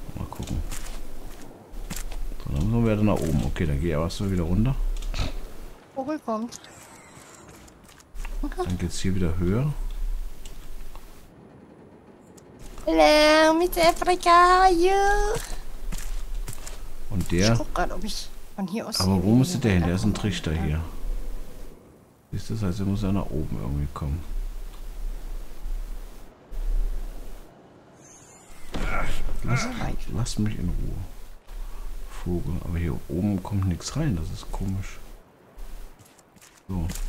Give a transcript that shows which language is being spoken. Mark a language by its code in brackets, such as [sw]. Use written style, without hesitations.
[de] Gucken. So, dann müssen wir wieder nach oben. Okay, dann geh aber so wieder runter. Vogel kommt. Dann geht's hier wieder höher. [en] Hello, Miss Africa, how are you? [de] Und der. Ich guck grad, ob ich von hier aus. Aber wo muss der hin? Der ist ein Trichter hier. Siehst du, das heißt, er muss ja nach oben irgendwie kommen. Lass mich in Ruhe. Vogel. Aber hier oben kommt nichts rein. Das ist komisch. So.